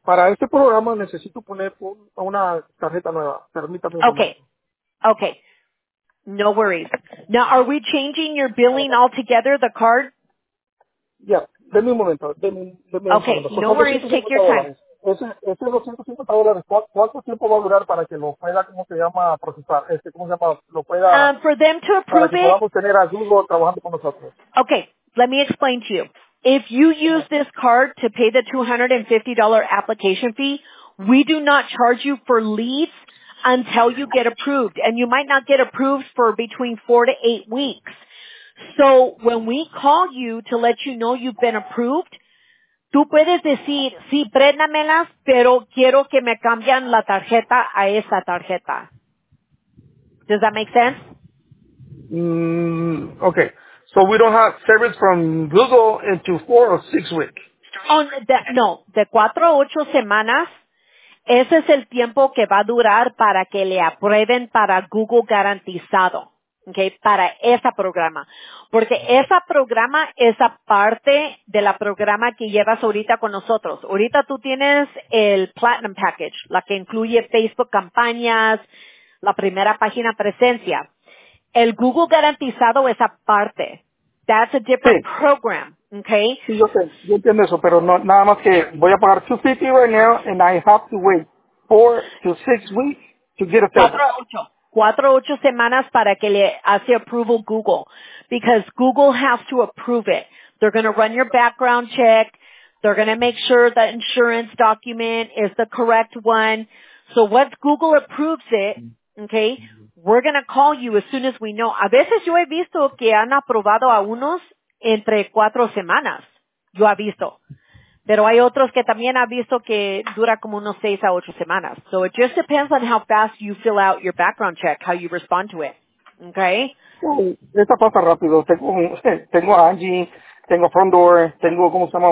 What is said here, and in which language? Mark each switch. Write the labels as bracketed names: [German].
[Spanish] Para este programa necesito poner una tarjeta nueva. Permítame. [English] Okay. Okay. No worries. Now, are we changing your billing altogether, the card? [Spanish] Yeah. Deme un momento. Deme [English] okay. [Spanish] Un [English] no worries. Take your time. [Spanish] Ese $250, ¿cuánto tiempo va a durar para que lo pueda, cómo se llama, procesar? ¿Cómo se llama? Lo pueda, [English] for them to approve [Spanish] para que podamos tener a Google trabajando con nosotros. [English] Okay, let me explain to you. If you use this card to pay the $250 application fee, we do not charge you for leads until you get approved. And you might not get approved for between 4 to 8 weeks. So when we call you to let you know you've been approved, [Spanish] tú puedes decir, sí, préndamelas, pero quiero que me cambien la tarjeta a esa tarjeta. [English] Does that make sense? Okay. So we don't have service from Google into 4 or 6 weeks. [Spanish] No, de 4 a 8 semanas, ese es el tiempo que va a durar para que le aprueben para Google garantizado. Okay, para ese programa. Porque ese programa es aparte de la programa que llevas ahorita con nosotros. Ahorita tú tienes el Platinum Package, la que incluye Facebook campañas, la primera página presencia. El Google garantizado es aparte. [English] That's a different program. Okay. [Spanish] Sí, yo sé. Yo entiendo eso, pero no, nada más que voy a pagar $250 [English] right now and I have to wait 4 to 6 weeks to get a paper. [Spanish] 4 a 8 semanas para que le hace approval Google, [English] because Google has to approve it. They're going to run your background check. They're going to make sure the insurance document is the correct one. So once Google approves it, okay, we're going to call you as soon as we know. [Spanish] A veces yo he visto que han aprobado a unos entre 4 semanas. Yo he visto. Pero hay otros que también ha visto que dura como unos 6 a 8 semanas. [English] So it just depends on how fast you fill out your background check, how you respond to it. Okay? [Spanish] Esta pasa rápido. Tengo a Angie, tengo Frontdoor, tengo, ¿cómo se llama?